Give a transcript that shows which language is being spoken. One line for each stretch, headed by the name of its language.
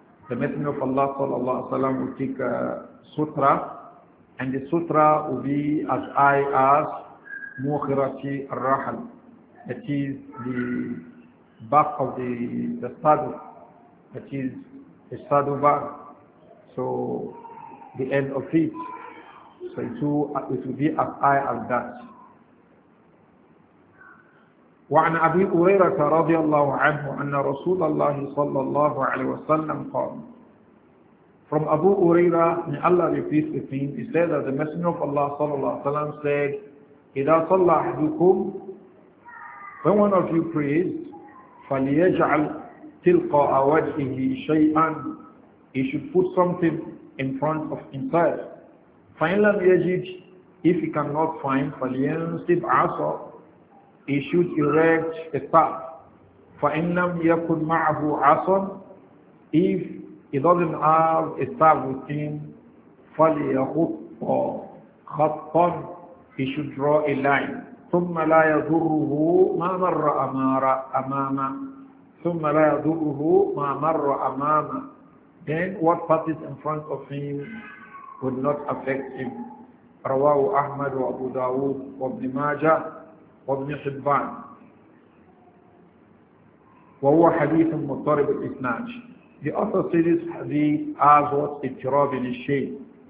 English: The Messenger of Allah sallallahu alaihi wasallam will take sutra, and the sutra will be as high as mukhirati ar-rahal, that is the back of the saddle, that is a saddle bag. So the end of it, so it will be as high as that.
Arabic: وعن أبي هريرة رضي الله عنه أن رسول الله صلى الله عليه وسلم قال.
English: From Abu Huraira, may Allah be pleased with him, he said that the Messenger of Allah sallallahu alaihi wasallam said,
Arabic: إِذَا صَلَّى أَحَدُكُمْ,
English: when one of you prays,
Arabic: فَلِيَجْعَلْ تِلْقَاءَ وَجْهِهِ شَيْئًا,
English: he should put something in front of himself.
Arabic: فَإِنْ لَمْ يَجِدْ,
English: if he cannot find,
Arabic: فَلِيَنْصِبْ عَصَاهُ,
English: he should erect a staff.
Arabic: فَإِنْ لَمْ يَكُنْ مَعَهُ عَصًى,
English: if he doesn't have a staff with him,
Arabic: فَلْيَخُطَّ خَطًّا,
English: he should draw a line.
Arabic: ثُمَّ لَا يَضُرُّهُ مَا مَرَّ أَمَامًا, ثُمَّ لَا يَضُرُّهُ مَا مَرَّ أَمَامًا,
English: then what passes in front of him would not affect him.
Arabic: رواه أحمد وأبو داود وابن ماجة وابن حبان, وهو حديث مضطرب الإسناد.
English: The author says this hadith as what Ittirab in shape.